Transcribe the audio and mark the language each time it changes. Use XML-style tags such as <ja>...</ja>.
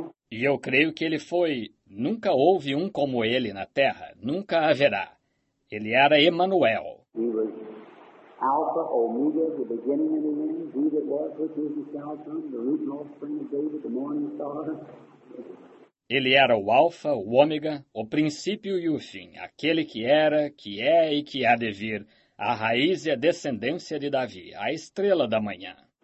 <pt>E eu creio que ele foi, nunca houve um como ele na Terra, nunca haverá. Ele era Emmanuel.</pt> <en>Alpha, Omega, the beginning and the end, he that was, which is, and shall come, the root and offspring of David, the morning star.</en> <pt>Ele era o Alfa, o Ômega, o princípio e o fim, aquele que era, que é e que há de vir, a raiz e a descendência de Davi, a estrela da manhã.</pt>